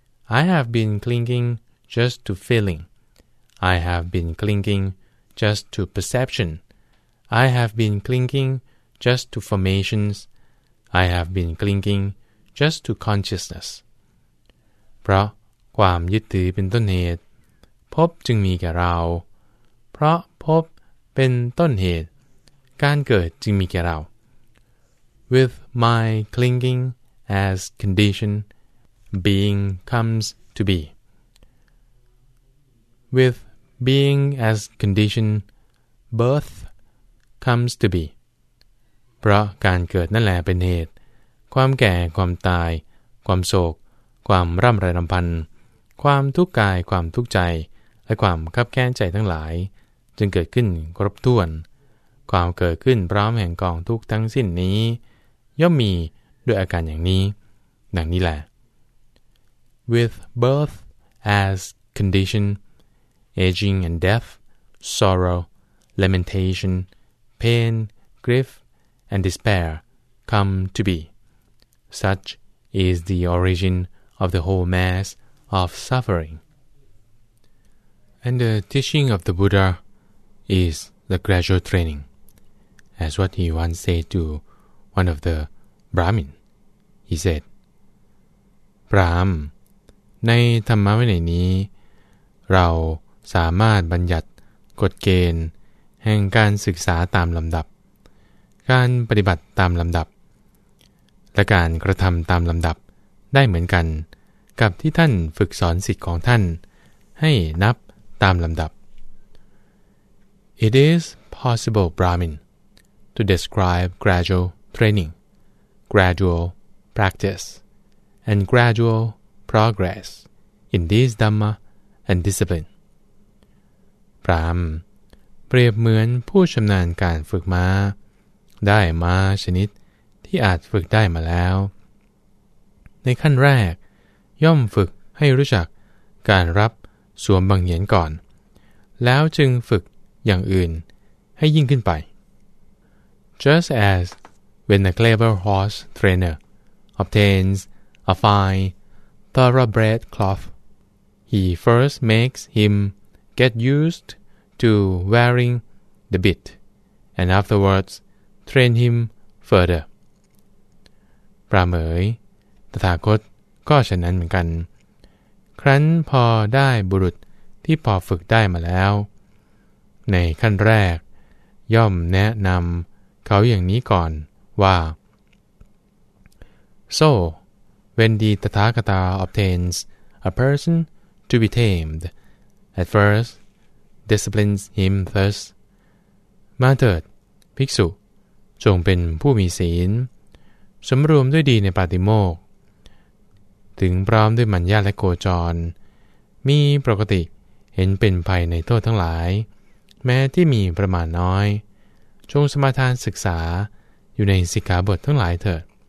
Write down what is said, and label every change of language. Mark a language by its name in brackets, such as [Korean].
[English] I have been clingingJust to feeling, I have been clinging just to perception, I have been clinging just to formations, I have been clinging just to consciousness. [Thai] เพราะความยึดถือเป็นต้นเหตุภพจึงมีแก่เราเพราะภพเป็นต้นเหตุการเกิดจึงมีแก่เรา [English] With my clinging as condition, being comes to be. With being as condition, birth comes to be. [Thai] เพราะการเกิดนั่นแหละเป็นเหตุความแก่ความตายความโศกความร่ำไรรำพันความทุกข์กายความทุกข์ใจและความคับแค้นใจทั้งหลายจึงเกิดขึ้นครบถ้วนความเกิดขึ้นพร้อมแห่งกองทุกข์ทั้งสิ้นนี้ย่อมมีด้วยอาการอย่างนี้ดังนี้แหละ [English] With birth as conditionAging and death, sorrow, lamentation, pain, grief, and despair come to be. Such is the origin of the whole mass of suffering. And the teaching of the Buddha is the gradual training, as what he once said to one of the Brahmin. He said, [Thai] Brahm, ในธรรมวินัยนี้เราสามารถบัญญัติกฎเกณฑ์แห่งการศึกษาตามลำดับการปฏิบัติตามลำดับและการกระทำตามลำดับได้เหมือนกันกับที่ท่านฝึกสอนศีลของท่านให้นับตามลำดับ [English] It is possible, Brahmin, to describe gradual training, gradual practice, and gradual progress in this Dhamma and discipline. [Thai] พราหมณ์เปรียบเหมือนผู้ชำนาญการฝึกม้าได้ม้าชนิดที่อาจฝึกได้มาแล้วในขั้นแรกย่อมฝึกให้รู้จักการรับสวมบังเหียนก่อนแล้วจึงฝึกอย่างอื่นให้ยิ่งขึ้นไป [English] Just as when a clever horse trainer obtains a fine thoroughbred cloth, he first makes himget used to wearing the bit, and afterwards train him further. [Thai] ปราเหมยตถาคตก็ฉะนั้นเหมือนกันครั้นพอได้บุรุษที่พอฝึกได้มาแล้วในขั้นแรกย่อมแนะนำเขาอย่างนี้ก่อนว่า [English] So, when the Tathagata obtains a person to be tamedAt first, disciplines him thus. [Thai] มาเถิดภิกษุจงเป็นผู้มีศีล สำรวมด้วยดีในปาติโมกถึงพร้อมด้วยมัญญาและโกจร มีปกติเห็นเป็นภัยในโทษทั้งหลายแม้ที่มีประมาณน้อยจงสมาทานศึกษาอยู่ในสิกขาบททั้งหลายเถิด